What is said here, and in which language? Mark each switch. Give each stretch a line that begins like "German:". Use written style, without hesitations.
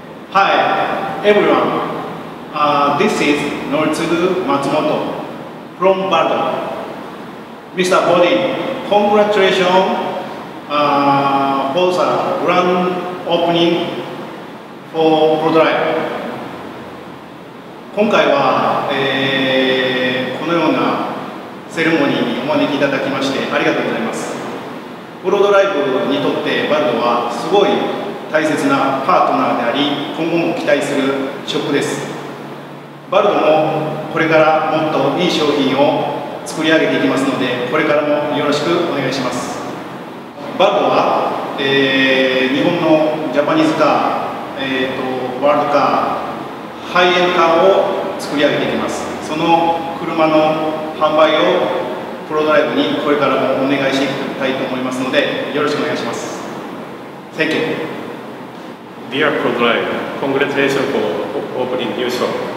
English: Hi, everyone. This is Noritsugu Matsumoto from Bardo. Mr. Bodhi, congratulations for the grand opening for ProDrive.
Japanese: 今回は このようなセレモニーにお招きいただきましてありがとうございます。 ProDrive にとってバルドはすごい大切なパートナーであり、今後も期待するショップです。バルドもこれからもっといい商品を作り上げていきますので、これからもよろしくお願いします。バルドは、日本のジャパニーズカー、ワールドカー、ハイエンドカーを作り上げていきます。その車の販売をプロドライブにこれからもお願いしていきたいと思いますので、よろしくお願いします。
English: Thank you. Dear ProDrive, congratulations for opening new shop.